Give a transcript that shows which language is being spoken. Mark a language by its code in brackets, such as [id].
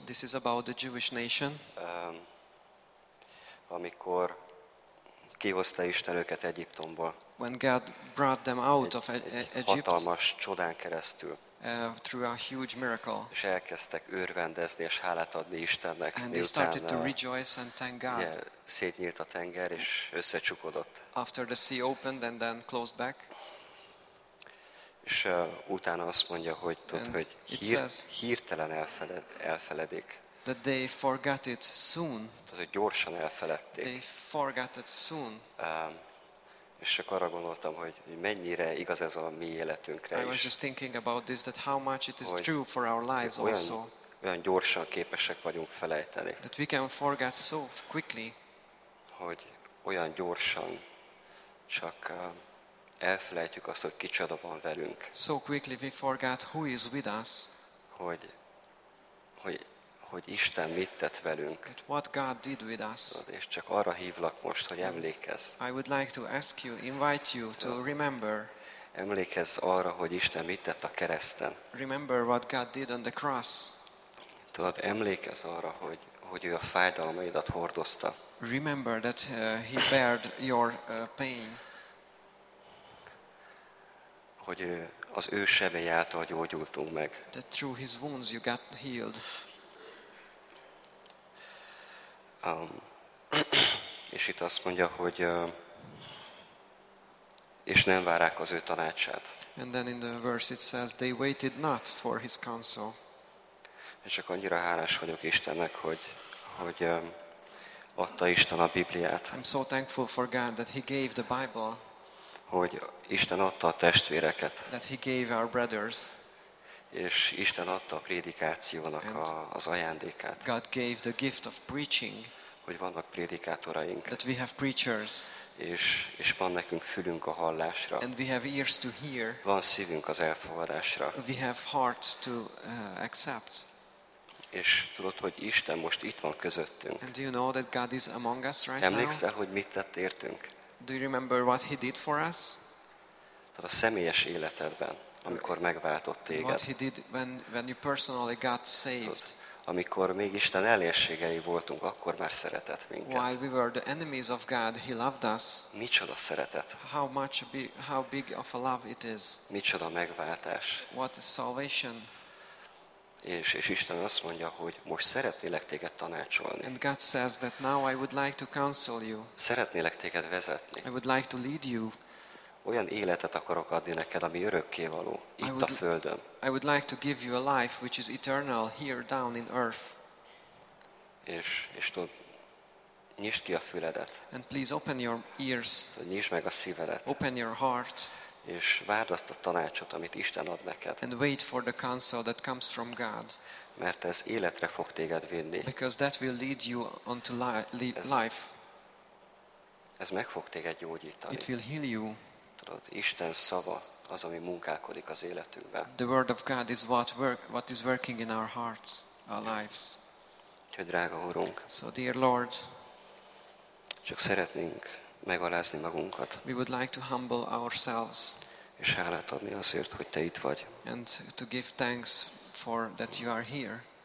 [en] This is about the Jewish nation. [hu] Amikor kihozta Isten őket Egyiptomból. [en] When God brought them out of Egypt. [hu] Hatalmas csodán keresztül. [en] Through a huge miracle. [hu] És elkezdtek örvendezni és hálát adni Istennek. [en] And they started to rejoice and thank God. Yeah, [hu] szétnyílt a tenger és összecsukodott. [en] After the sea opened and then closed back. [hu] És utána azt mondja, hogy tudod, hogy hirtelen elfeledik. [en] That they forgot it soon. [hu] Tehát, hogy gyorsan elfeledték. [en] They forgot it soon. [hu] És akkor arra gondoltam, hogy mennyire igaz ez a mi életünkre is. [en] I was just thinking about this, that how much it is true for our lives also. [hu] Olyan gyorsan képesek vagyunk felejteni. [en] That we can forget so quickly. [hu] Hogy olyan gyorsan csak elfelejtjük azt, hogy kicsoda van velünk. [en] So quickly we forget who is with us. [hu] Hogy Isten mit tett velünk. [en] But what God did with us. [hu] És csak arra hívlak most, hogy emlékezz. [en] I would like to ask you, invite you to remember. [hu] Emlékezz arra, hogy Isten mit tett a kereszten. [en] Remember what God did on the cross. [hu] Tudod, emlékezz arra, hogy ő a fájdalmaidat hordozta. [en] Remember that he bared your pain. [hu] Hogy az ő sebei által gyógyultunk meg. [en] That through his wounds you got healed. [hu] És itt azt mondja, hogy és nem várják az ő tanácsát. [en] And then in the verse it says they waited not for his counsel. [hu] És csak annyira hálás vagyok Istennek, hogy adta Isten a Bibliát. [en] I'm so thankful for God that he gave the Bible. [hu] Hogy Isten adta a testvéreket. [en] That he gave our brothers. [hu] És Isten adta a prédikációnak az ajándékát. [en] God gave the gift of preaching. [hu] Hogy vannak prédikátoraink. [en] That we have preachers. [hu] És van nekünk fülünk a hallásra. [en] And we have ears to hear. [hu] Van szívünk az elfogadásra. [en] We have heart to accept. [hu] És tudod, hogy Isten most itt van közöttünk. [en] And do you know that God is among us right [hu] Emlékszel, [en] now? [hu] Hogy mit tett értünk? [en] Do you remember what he did for us? [hu] Tehát a személyes életedben, amikor megváltott téged. [en] What he did when you personally got saved. [hu] Amikor még Isten ellenségei voltunk, akkor már szeretett minket. [en] While we were the enemies of God, he loved us. [hu] Micsoda szeretet. [en] How big of a love it is. [hu] Micsoda megváltás. [en] What is salvation. [hu] És Isten azt mondja, hogy most szeretnélek téged tanácsolni. [en] And God says that now I would like to counsel you. [hu] Szeretnélek téged vezetni. [en] I would like to lead you. [hu] Olyan életet akarok adni neked, ami örökkévaló, itt a földön. [en] I would like to give you a life which is eternal here down in earth. [hu] És tudod, nyisd ki a füledet. [en] And please open your ears. [hu] Nyisd meg a szívedet. [en] Open your heart. [hu] És várd azt a tanácsot, amit Isten ad neked. [en] And wait for the counsel that comes from God. [hu] Mert ez életre fog téged vinni. [en] Because that will lead you onto life. [hu] Ez meg fog téged gyógyítani. [en] It will heal you. [hu] Isten szava az, ami munkálkodik az életünkben. [en] The word of God is what is working in our hearts, our lives. [hu] Úgyhogy drága Urunk, [en] so dear Lord, [hu] csak szeretnénk megalázni magunkat. [en] We would like to humble ourselves. [hu] És hálát adni azért, hogy te itt vagy. [en] And to give thanks for that you are here.